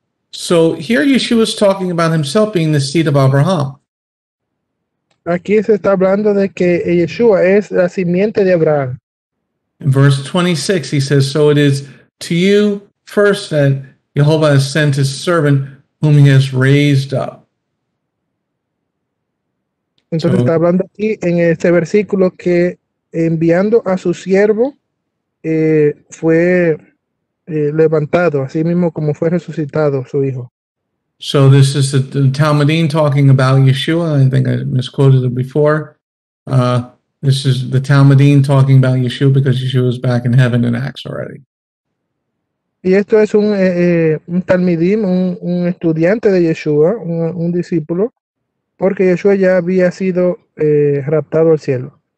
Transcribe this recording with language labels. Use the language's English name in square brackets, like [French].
[English] So here Yeshua is talking about himself being the seed of Abraham. [Spanish] Aquí se está hablando de que Yeshua es la simiente de Abraham. [English] In verse 26, he says, so it is to you first that Jehovah has sent his servant whom he has raised up. [Spanish] Entonces so, está hablando aquí en este versículo que enviando a su siervo fue levantado, así mismo como fue resucitado su hijo. [English] So this is the Talmudim talking about Yeshua. I think I misquoted it before. This is the Talmudim talking about Yeshua because Yeshua is back in heaven in Acts already. [Spanish] Y esto es un Talmudim, un estudiante de Yeshua, un discípulo, porque Yeshua ya había sido raptado al cielo.